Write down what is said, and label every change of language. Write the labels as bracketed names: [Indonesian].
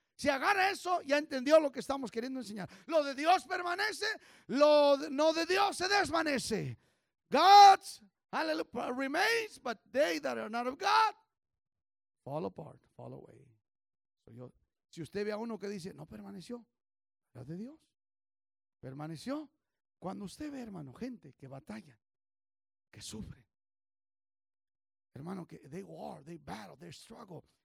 [Spanish] Si agarra eso, ya entendió lo que estamos queriendo enseñar. Lo de Dios permanece, lo de, no de Dios se desvanece. [English] God's, hallelujah, remains, but they that are not of God, fall apart, fall away. [Spanish] So yo, si usted ve a uno que dice, no permaneció, era de Dios. Permaneció. Cuando usted ve, hermano, gente que batalla, que sufre. [English] Hermano, que they war, they battle, they struggle.